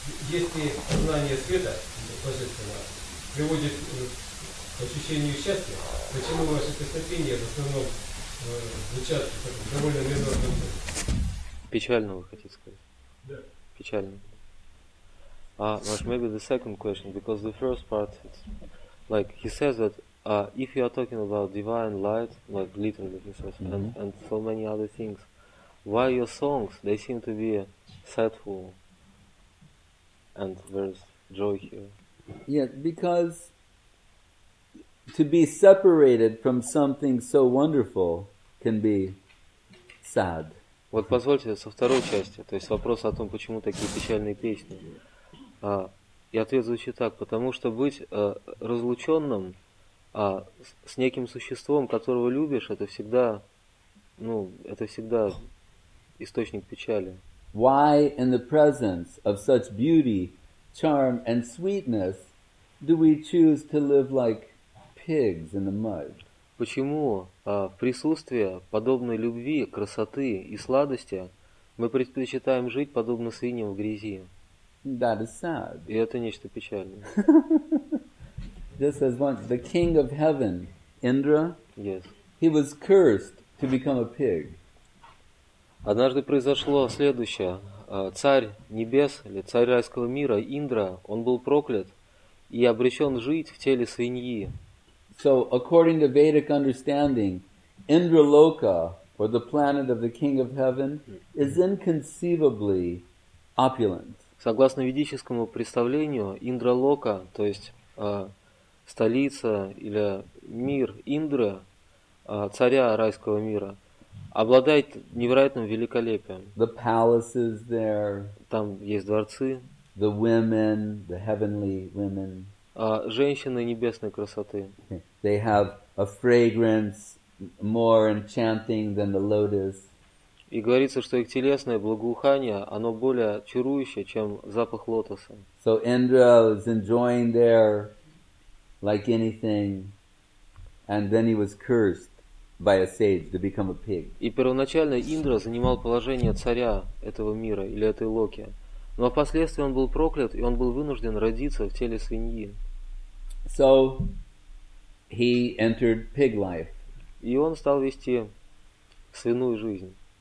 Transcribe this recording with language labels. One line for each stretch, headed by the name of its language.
Russian: Если знание света божественного приводит к ощущению счастья, почему ваши песнопения в основном звучат довольно минорным? Печально, вы хотите сказать? Да. Печально.
English: Maybe the second question, because the first part, it's like he says that if you are talking about divine light, like literally, he says, mm-hmm. and so many other things, why your songs, they seem to be sadful and there's joy here? Yeah, because to be separated from something so wonderful can be sad.
Russian: Вот позвольте со второй части, то есть вопрос о том, почему такие печальные песни. И ответ звучит так, потому что быть разлученным с неким существом, которого любишь, это всегда, ну, это всегда источник печали.
English: Why in the presence of such beauty, charm and sweetness do we choose to live like pigs in the mud?
Russian: Почему в присутствии подобной любви, красоты и сладости мы предпочитаем жить подобно свиньям в грязи?
English: That is sad.
Russian: И это нечто печальное.
English: Just as once the king of heaven, Indra, yes, he was cursed to become a pig.
Russian: Однажды произошло следующее. Царь небес или царь райского мира Индра, он был проклят и обречен жить в теле свиньи.
English: So according to Vedic understanding, Indraloka, or the planet of the king of heaven, is inconceivably opulent.
Russian: Согласно ведическому представлению, Индралока, то есть столица или мир Индры, царя райского мира, обладает невероятным великолепием.
English: The palaces there,
Russian: там есть дворцы,
English: the women, the heavenly women,
Russian: женщины небесной красоты.
English: They have a fragrance more enchanting than the lotus.
Russian: И говорится, что их телесное благоухание, оно более чарующее, чем запах лотоса.
English: So Indra was enjoying there like anything, and then he was cursed by a sage to become a pig.
Russian: И первоначально Индра занимал положение царя этого мира или этой Локи, но впоследствии он был проклят и он был вынужден родиться в теле свиньи.
English: So he entered pig life.
Russian: И он стал вести свиную жизнь.